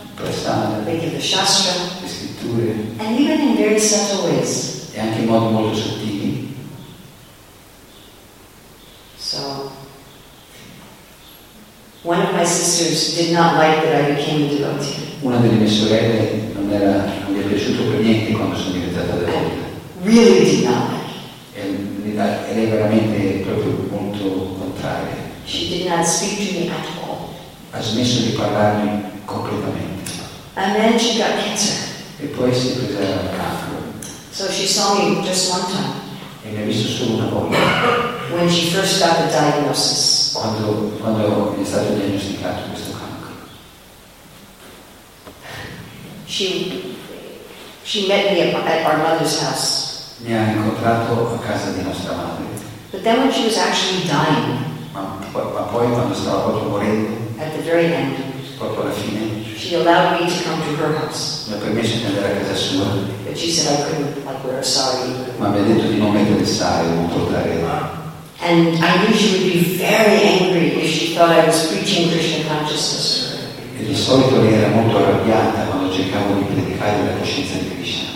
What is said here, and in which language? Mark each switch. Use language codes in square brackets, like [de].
[en] Prasadam. They give the shastra. [it] Le scritture. [en] And even in very subtle ways. [it] E anche in modo molto sottile. [en] So, one of my sisters did not like that I became a devotee. [it] Una delle mie sorelle non mi è piaciuto per niente quando sono diventata devota. [en] Really did not. [it] E lei veramente è proprio molto contraria. [en] She did not speak to me at all. [it] Ha smesso di parlarmi completamente. [en] And then she got cancer. [it] E poi si è presa il cancro. [en] So she saw me just one time. [it] E mi ha visto solo una volta. [en] When she first got the diagnosis. [it] Quando è stato diagnosticato questo cancro. [en] She met me at our mother's house. [it] Mi ha incontrato a casa di nostra madre. [en] But then when she was actually dying, [it] ma poi quando stava proprio morendo, [en] at the very end, [it] proprio alla fine, [en] she allowed me to come to her house. [it] Mi ha permesso di andare a casa sua. [en] But she said I couldn't, like wear a sari. [it] Ma mi ha detto di non mettere il sari, non portare. [en] And I knew she would be very angry if she thought I was preaching Krishna consciousness. [it] E di solito lei era molto arrabbiata quando cercavo di predicare la coscienza di Krishna.